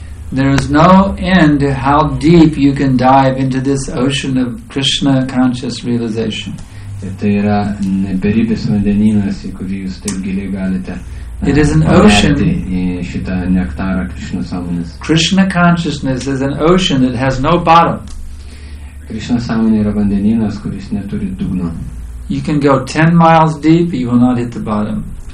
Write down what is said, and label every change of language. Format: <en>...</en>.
<en>There is no end to how deep you can dive into this ocean of Krishna conscious realization.</en> <lt>Tai yra neberibis vandenynas, į kurį jūs taip giliai galite.</lt> <en>It is an ocean.</en> <lt>Šitą nektarą Krishna sąmonės.</lt> <en>Krishna consciousness is an ocean that has no bottom.</en> <lt>Krishna sąmonė yra vandenynas, kuris neturi dugno.</lt> <en>You can go 10 miles deep, you will not hit the bottom.</en>